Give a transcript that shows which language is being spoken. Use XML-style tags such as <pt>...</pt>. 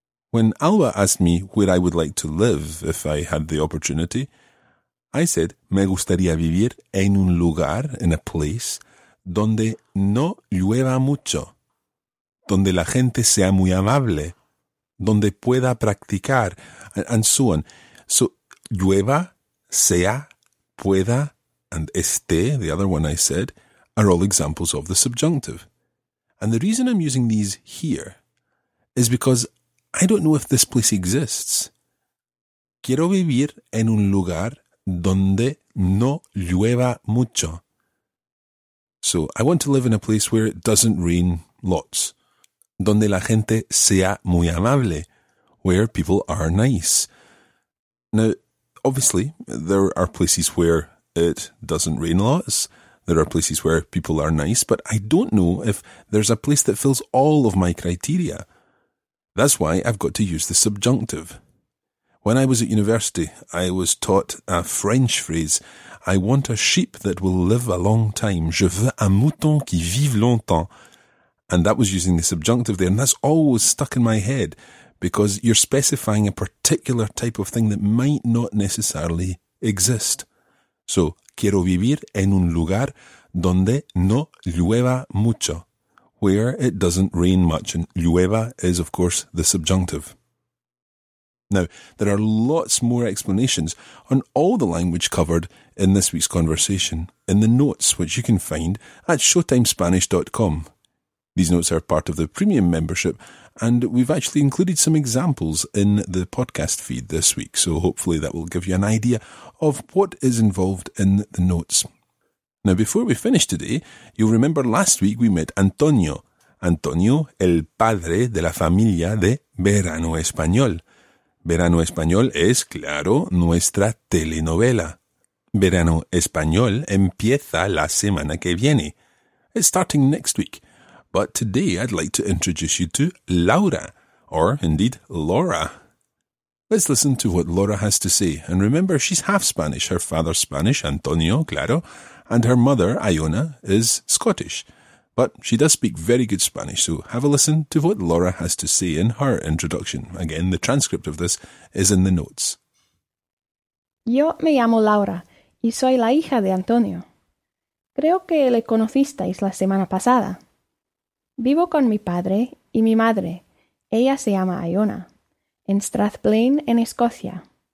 <en>When Alba asked me where I would like to live if I had the opportunity, I said,</en> <es>me gustaría vivir en un lugar,</es> <en>in a place,</en> <es>donde no llueva mucho, donde la gente sea muy amable, donde pueda practicar,</es> <en>and so on. So, llueva, sea, pueda, and esté, the other one I said, are all examples of the subjunctive. And the reason I'm using these here is because I don't know if this place exists.</en> <es>Quiero vivir en un lugar donde no llueva mucho.</es> <en>So, I want to live in a place where it doesn't rain lots.</en> <es>Donde la gente sea muy amable.</es> <en>Where people are nice. Now, obviously, there are places where it doesn't rain lots. There are places where people are nice. But I don't know if there's a place that fills all of my criteria. That's why I've got to use the subjunctive. When I was at university, I was taught a French phrase. I want a sheep that will live a long time.</en> <fr>Je veux un mouton qui vive longtemps.</fr> <en>And that was using the subjunctive there. And that's always stuck in my head because you're specifying a particular type of thing that might not necessarily exist.</en> <es>So, quiero vivir en un lugar donde no llueva mucho.</es> <en>Where it doesn't rain much. And llueva is, of course, the subjunctive. Now, there are lots more explanations on all the language covered in this week's conversation in the notes, which you can find at showtimespanish.com. These notes are part of the premium membership, and we've actually included some examples in the podcast feed this week, so hopefully that will give you an idea of what is involved in the notes. Now, before we finish today, you'll remember last week we met Antonio.</en> <es>Antonio, el padre de la familia de Verano Español. Verano Español es, claro, nuestra telenovela. Verano Español empieza la semana que viene.</es> <en>It's starting next week. But today I'd like to introduce you to Laura, or indeed Laura. Let's listen to what Laura has to say. And remember, she's half Spanish. Her father's Spanish, Antonio, claro, and her mother, Iona, is Scottish. But she does speak very good Spanish, so have a listen to what Laura has to say in her introduction. Again, the transcript of this is in the notes.</en> <es>Yo me llamo Laura, y soy la hija de Antonio. Creo que le conocisteis la semana pasada. Vivo con mi padre y mi madre. Ella se llama Iona, en Strathblane, en Escocia.</es>